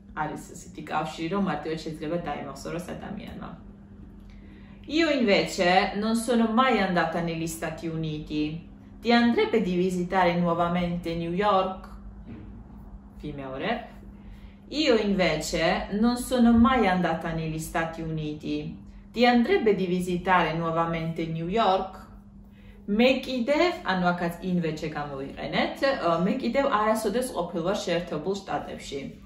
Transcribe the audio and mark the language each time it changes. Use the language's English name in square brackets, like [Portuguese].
[Georgian] Არის ესეთი კავშირი, რომ მარტივად შეიძლება დაიმახსოვროს ადამიანმა. [Italian] Io invece non sono mai andata negli Stati Uniti. Ti andrebbe di visitare nuovamente New York? Fime ore. Io invece non sono mai andata negli Stati Uniti. Ti andrebbe di visitare nuovamente New York? [Georgian] Me kidev, ანუ აქაც invece გამოიყენეთ, მე კიდევ არასოდეს ყოფილვარ შეერთებულ შტატებში.